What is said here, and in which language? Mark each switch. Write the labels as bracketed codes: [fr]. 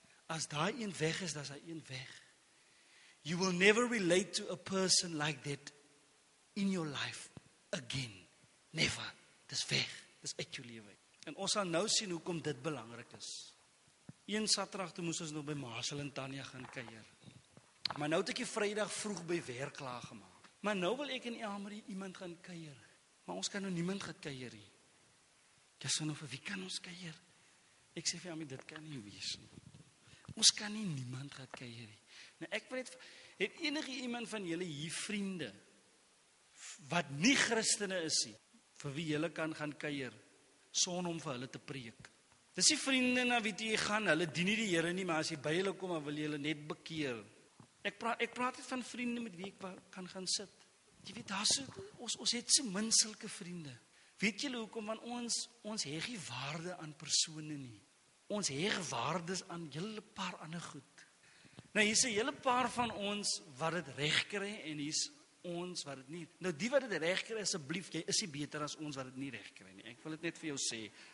[af] As daai een weg is, dan is daai een weg. [en] You will never relate to a person like that in your life again. [af] Never. Dis weg. Dis uit jou lewe. En ons sal nou sien hoekom dit belangrik is. Een Saterdag toe moes ons nog by Marcel en Tanya gaan kuier. Maar nou het ek die Vrydag vroeg by werk klaar gemaak. Maar nou wil ek in Elmarie iemand gaan kuier. Maar ons kan nou niemand gekuier nie. Jy sê nou vir wie kan ons kuier? Ek sê vir jou, dit kan nie wees nie. Ons kan nie niemand gaan kuier nie. Nou ek wil het enige iemand van julle hier vriende, wat nie Christene is nie, vir wie julle kan gaan kuier, son om vir hulle te preek. Dis die vriende na wie jy gaan, hulle dien nie die Here nie, maar as jy by hulle kom, dan wil jy hulle net bekeer. Ek praat net van vriende met wie ek kan gaan sit. Jy weet, daar so, ons het so min sulke vriende. Weet julle hoekom? Want ons heg nie waarde aan persone nie. Ons heg waardes aan julle paar ander goed. Nou, hier is 'n hele paar van ons wat het reg kry en hier is ons wat het nie. Nou, die wat het reg kry, asseblief, jy is nie beter as ons wat het nie reg kry nie. Ek wil dit net vir jou sê.